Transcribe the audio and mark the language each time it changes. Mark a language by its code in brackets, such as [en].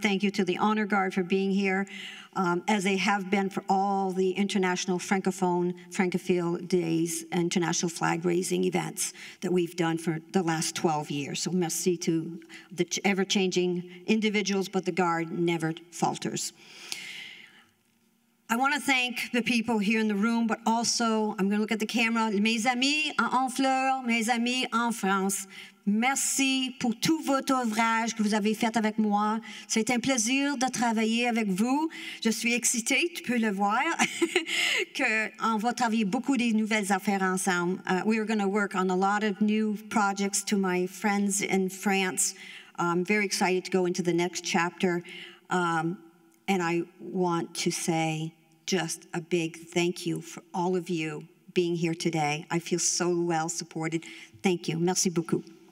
[en] Thank you to the Honor Guard for being here, as they have been for all the international Francophone, Francophile days, international flag-raising events that we've done for the last 12 years. So merci to the ever-changing individuals, but the Guard never falters. I want to thank the people here in the room, but also I'm going to look at the camera. [fr] Mes amis en fleurs, mes amis en France, merci pour tout votre ouvrage que vous avez fait avec moi. C'est un plaisir de travailler avec vous. Je suis excitée, tu peux le voir, qu'on va travailler beaucoup des nouvelles affaires ensemble. [en] We are going to work on a lot of new projects to my friends in France. I'm very excited to go into the next chapter. And I want to say just a big thank you for all of you being here today. I feel so well supported. Thank you. [fr] Merci beaucoup.